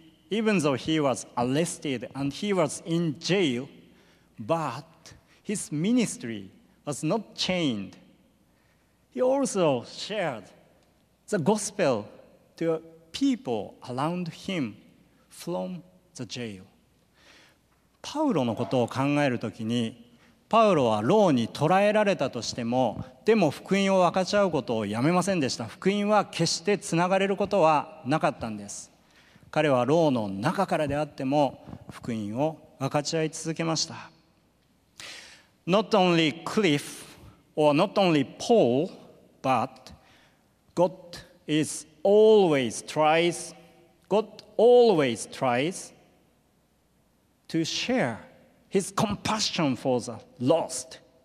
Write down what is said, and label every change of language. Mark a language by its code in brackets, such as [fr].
[en] Even though he was arrested and he was in jail, but his ministry was not chained. He also shared the gospel to people around him from the jail. [ja] パウロのことを考えるときに、パウロは牢に捕らえられたとしても、でも福音を分かち合うことをやめませんでした。福音は決してつながれることはなかったんです。彼は牢の中からであっても福音を分かち合い続けました。 [en] Not only Cliff or not only Paul, but God is always tries, God always tries to share his compassion for the lost,